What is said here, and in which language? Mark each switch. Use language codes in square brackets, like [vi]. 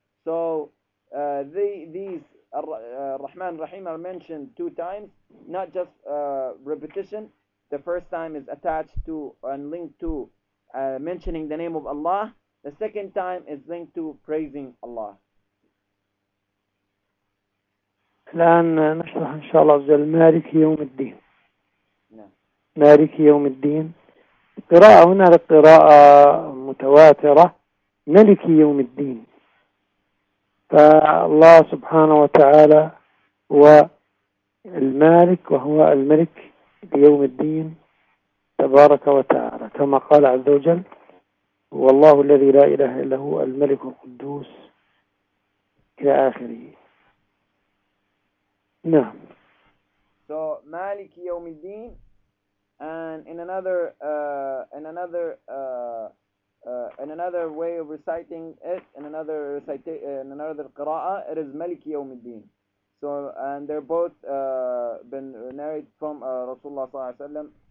[en] So Ar-Rahman Ar-Rahim are mentioned two times, not just repetition. The first time is attached to and linked to mentioning the name of Allah. The second time is linked to praising Allah. [ar] الآن نشرح إن شاء الله مالك يوم الدين. مالك يوم الدين القراءة هنا لقراءة متواترة ملك يوم الدين، فالله سبحانه وتعالى هو المالك وهو الملك ليوم الدين تبارك وتعالى، كما قال عز وجل والله الذي لا إله إلا هو الملك القدوس إلى آخره. نعم. So مالك يوم الدين. [en] And in another way of reciting it, in another qira'ah, it is Maliki Yawm al-Din. So, and they're both been narrated from Rasulullah sallallahu alaihi wasallam.